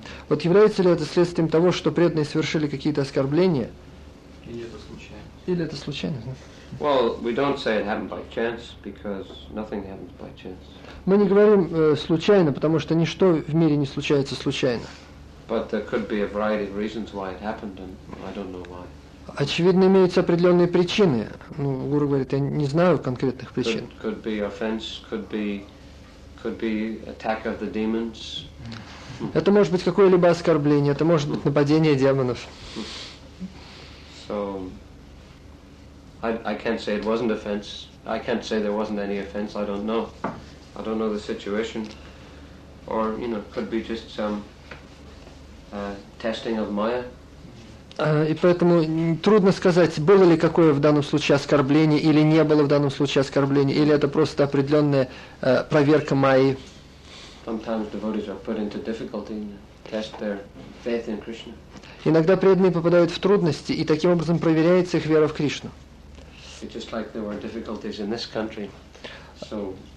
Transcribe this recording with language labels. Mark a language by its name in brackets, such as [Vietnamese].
[Russian] Вот является ли это следствием того, что преданные совершили какие-то оскорбления? Или это случайно? [English] Well, we don't say it happened by chance, because nothing happens by chance. [Russian] Мы не говорим случайно, потому что ничто в мире не случается случайно. [English] But there could be a variety of reasons why it happened, and I don't know why. [Russian] Очевидно, имеются определенные причины. Ну, гуру говорит, я не знаю конкретных причин. [English] Could be offense, could be attack of the demons. [Russian] Это может быть какое-либо оскорбление, это может быть нападение демонов. [English] So I can't say it wasn't offense. I can't say there wasn't any offense. I don't know. I don't know the situation. Or, you know, could be just some testing of Maya. [Russian] И поэтому трудно сказать, было ли какое в данном случае оскорбление, или не было в данном случае оскорбления, или это просто определенная проверка Майи. [English] Sometimes devotees are put into difficulty and test their faith in Krishna. [Russian] Иногда преданные попадают в трудности, и таким образом проверяется их вера в Кришну. [English] Just like there were difficulties in this country. So